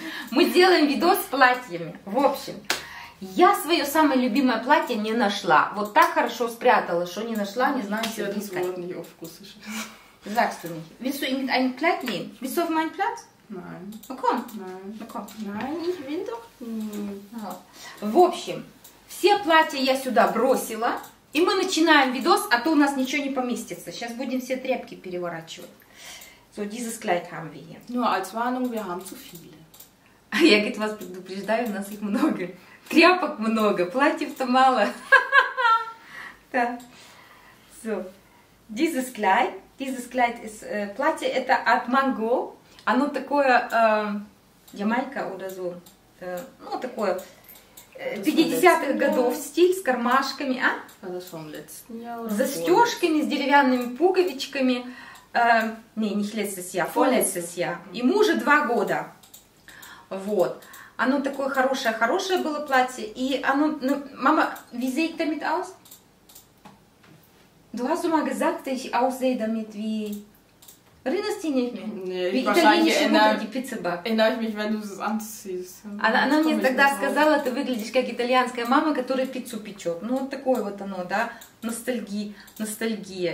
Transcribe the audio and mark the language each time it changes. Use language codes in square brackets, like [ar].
[ru] Мы делаем видос с платьями. В общем, я свое самое любимое платье не нашла. Вот так хорошо спрятала, что не нашла, не знаю, что искать. Я не вкус. [de] Sagst du nicht? Willst du irgendein ein Kleid nehmen? Willst du auf mein Platz? Nein. Na komm. Nein. Na komm. Nein, ich will doch. [ru] В общем, все платья я сюда бросила. И мы начинаем видос, а то у нас ничего не поместится. Сейчас будем все тряпки переворачивать. [de] So, dieses Kleid haben wir hier. Nur als Warnung, wir haben zu viele. [ru] Я говорит, вас предупреждаю, у нас их много. Тряпок много, платьев-то мало. Да. [de] So, dieses Kleid. Dieses Kleid ist, [ru] платье это от Mango. Оно такое, Ямайка [de] oder so. [ru] Ну, такое, 50-х годов стиль с кармашками, а? Это [de] vom letzten Jahr. [ru] Застежками с деревянными пуговичками. Не, не хлесосья, фолесосья. Ему уже 2 года. Вот. Оно такое хорошее-хорошее было платье. И оно... Ну, мама, [de] wie sieht damit aus? Du hast mal gesagt, dass ich aussehe damit wie... Erinnerst du dich nicht mehr? Nee, italienische Mutter, die Pizzaback. Erinnere ich mich, wenn du es anziehst. [ru] Она мне тогда сказала, ты выглядишь как итальянская мама, которая пиццу печет. Ну, вот такое вот оно, да? Ностальгия, ностальгия.